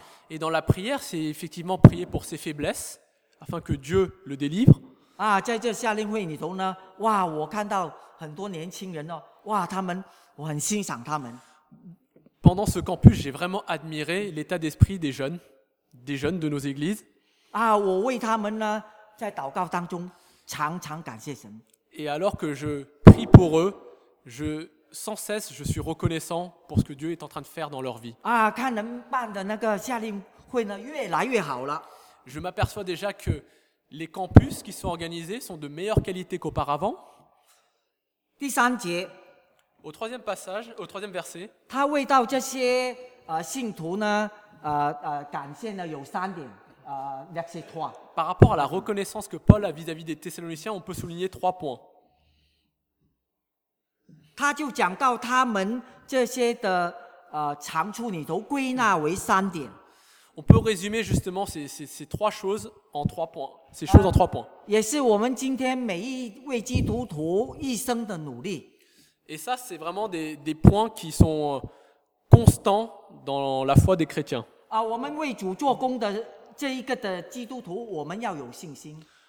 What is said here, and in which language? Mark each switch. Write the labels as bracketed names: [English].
[French] Et dans la prière, c'est effectivement prier pour ses faiblesses afin que Dieu le délivre. [Chinese] 在这夏令会里头呢，哇，我看到很多年轻人哦，哇，他们，我很欣赏他们。 [French] Pendant ce campus, j'ai vraiment admiré l'état d'esprit des jeunes de nos églises. [Chinese] 啊，我为他们呢，在祷告当中常常感谢神。 [French] Et alors que je prie pour eux, je suis reconnaissant pour ce que Dieu est en train de faire dans leur vie. [Chinese] 啊，看能办的那个夏令会呢，越来越好了。 [French] Je m'aperçois déjà que les campus qui sont organisés sont de meilleure qualité qu'auparavant. [Chinese] 第三节。 [French] Au troisième passage, au troisième verset. [Chinese] 他为到这些信徒呢，感谢呢有三点。 [French] Verset 3. Par rapport à la reconnaissance que Paul a vis-à-vis des Thessaloniciens, on peut souligner trois points. [Chinese] 他就讲到他们这些的长处里头归纳为三点。 [French] On peut résumer justement ces trois choses en trois points. Ces choses en trois points. [Chinese] 也是我们今天每一位基督徒一生的努力。 [French] Et ça, c'est vraiment des points qui sont constants dans la foi des chrétiens. [Chinese] 啊，我们为主做工的这一个的基督徒，我们要有信心。